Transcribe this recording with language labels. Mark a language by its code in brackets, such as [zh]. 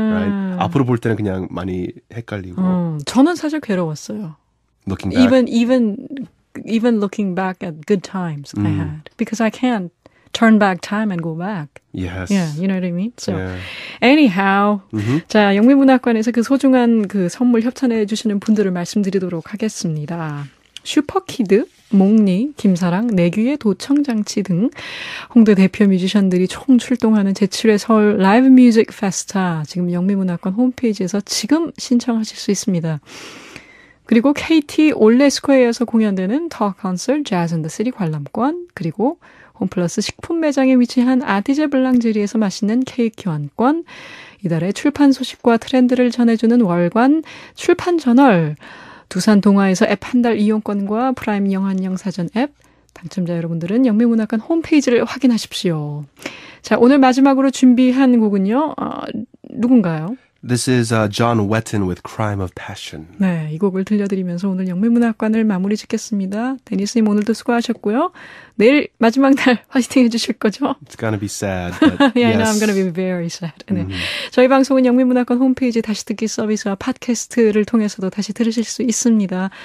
[ko] Right? 앞으로 볼 때는 그냥 많이 헷갈리고. 저는 사실 괴로웠어요. [en] Looking back. Even looking back at good times I had. Because I can't turn back time and go back. Yes. Yeah, you know what I mean? So, anyhow. [ko] 자, 영미문학관에서 그 소중한 그 선물 협찬해 주시는 분들을 말씀드리도록 하겠습니다. 슈퍼키드, 몽니, 김사랑, 내규의 도청장치 등 홍대 대표 뮤지션들이 총 출동하는 제7회 서울 라이브 뮤직 페스타. 지금 영미문학관 홈페이지에서 지금 신청하실 수 있습니다. 그리고 KT 올레스코에어에서 공연되는 더 콘서트 재즈 인 더 시티 관람권, 그리고 홈플러스 식품 매장에 위치한 아티제 블랑제리에서 맛있는 케이크 교환권, 이달의 출판 소식과 트렌드를 전해주는 월간 출판 저널, 두산 동화에서 앱 한 달 이용권과 프라임 영한영 사전 앱, 당첨자 여러분들은 영미문학관 홈페이지를 확인하십시오. 자, 오늘 마지막으로 준비한 곡은요, 누군가요? [en] This is John Wetton with Crime of Passion. [ko] 네, 이 곡을 들려드리면서 오늘 영미문학관을 마무리 짓겠습니다. 데니스님 오늘도 수고하셨고요. 내일 마지막 날 화이팅 해주실 거죠? [en] It's gonna be sad. But yeah, yes. I'm gonna be very sad. 네. Mm-hmm. [ko] 저희 방송은 영미문학관 홈페이지 다시 듣기 서비스와 팟캐스트를 통해서도 다시 들으실 수 있습니다.